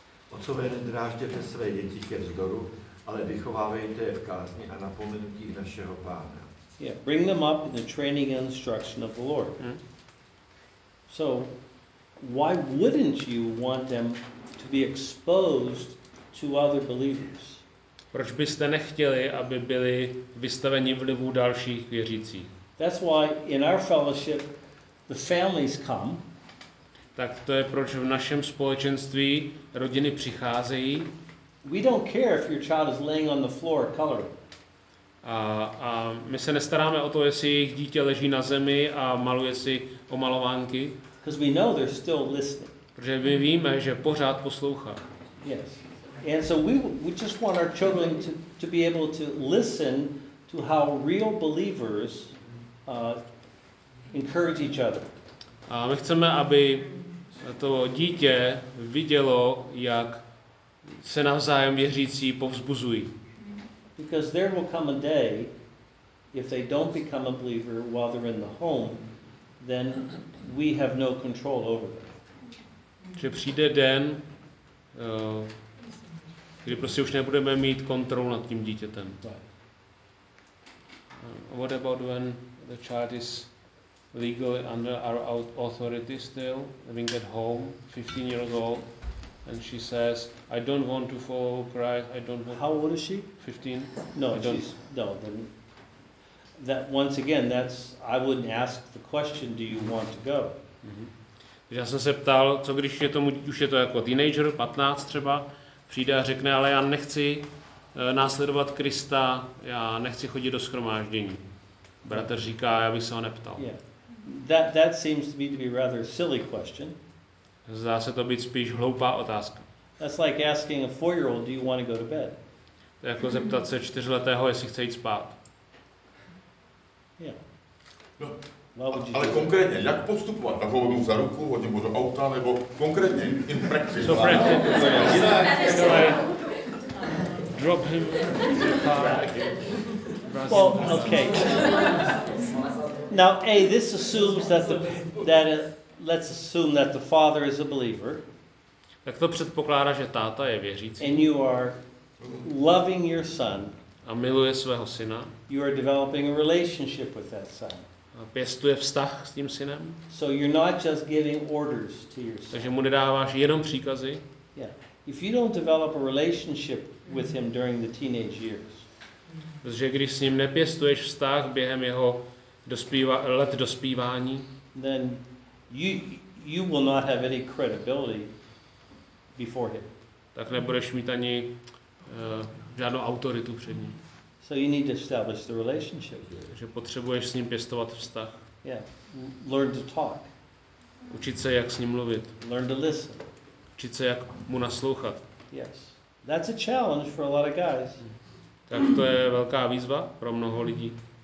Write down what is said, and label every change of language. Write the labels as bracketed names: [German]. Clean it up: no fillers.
[Czech] Otcové, nedrážděte své děti ke vzdoru, ale vychovávejte je v kázni a napomenutí našeho Pána. [English] Yeah, bring them up in the training and instruction of the Lord. Mm. So, why wouldn't you want them to be exposed to other believers? [Czech] Proč byste nechtěli, aby byli vystaveni vlivu dalších věřících? [English] That's why in our fellowship the families come. [Czech] Tak to je proč v našem společenství rodiny přicházejí. [English] We don't care if your child is laying on the floor coloring. [Czech] A my se nestaráme o to, jestli jejich dítě leží na zemi a maluje si omalovánky. [English] Because we know they're still listening. [Czech] Protože my víme, že pořád poslouchá. [English] Yes. And so we just want our children to be able to listen to how real believers encourage each other. [Czech] A my chceme, aby to dítě vidělo, jak se navzájem věřící povzbuzují. [English] Because there will come a day if they don't become a believer while they're in the home, then we have no control over them. [Czech] Že přijde den, kdy prostě už nebudeme mít kontrolu nad tím dítětem. [English] What about when the child is legally under our authority still, living at home, 15 years old? And she says, I don't want to follow Christ, I don't want... How old is she? 15. No, she's... No, then... That, once again, that's... I wouldn't ask the question, do you want to go? Mm-hmm. [Czech] Já jsem se ptal, co když je tomu... Už je to jako teenager, 15 třeba, přijde a řekne, ale já nechci následovat Krista, já nechci chodit do shromáždění. Bratr říká, já bych se ho neptal. [English] Yeah. That seems to me to be rather silly question. [Czech] Zdá se to být spíš hloupá otázka. [English] That's like asking a 4-year-old, do you want to go to bed? [Czech] To je jako zeptat se 4-letého, jestli chce jít spát. [English] Yeah. [Czech] No, ale konkrétně, jak postupovat? Na hodinu za ruku, hodně mu do auta, nebo konkrétně, [English] in practice? So practice. Drop him in the car. Well, okay. Now, A, this assumes that let's assume that the father is a believer. [Czech] Tak to předpokládá, že táta je věřící. [English] And you are loving your son. [Czech] A a miluje svého syna. [English] You are developing a relationship with that son. [Czech] A pěstuje vztah s tím synem. [English] So you're not just giving orders to your son. [Czech] Takže mu nedáváš jenom příkazy. [English] Yeah. If you don't develop a relationship with him during the teenage years. [Czech] Protože když s ním nepěstuješ vztah během jeho let dospívání, [English] then you will not have any credibility before him. [Czech] Tak nebudeš mít ani žádnou autoritu před ním. [English] So you need to establish the relationship. [Czech] Že potřebuješ s ním pěstovat vztah. [English] Yeah. Learn to talk. [Czech] Učit se, jak s ním mluvit. [English] Learn to listen. [Czech] Učit se, jak mu naslouchat. [English] Yes. That's a challenge for a lot of guys. [Czech] Tak to je velká výzva pro mnoho lidí.